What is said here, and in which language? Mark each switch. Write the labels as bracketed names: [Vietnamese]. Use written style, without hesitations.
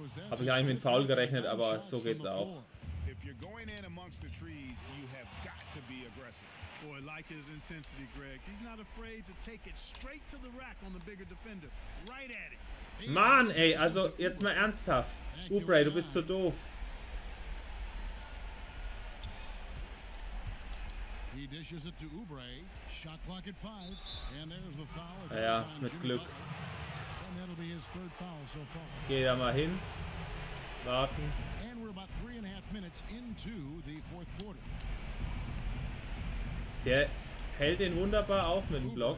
[German] Habe ich eigentlich mit Foul gerechnet, aber so geht's auch. [English] If you're going in amongst the trees, you have got to be aggressive. Boy, like his intensity, Greg. He's not afraid to take it straight to the rack on the bigger defender. Right at it. [German] Mann, ey, also jetzt mal ernsthaft. Oubre, du bist so doof. [English] He dishes it to Oubre. Shot clock at 5. And there's a foul. [German] Ja, mit Glück. [English] And that'll be his third foul so far. [German] Geh da mal hin. Warten. [English] And we're about 3.5 minutes into the fourth quarter. [German] Der hält den wunderbar auf mit dem Block.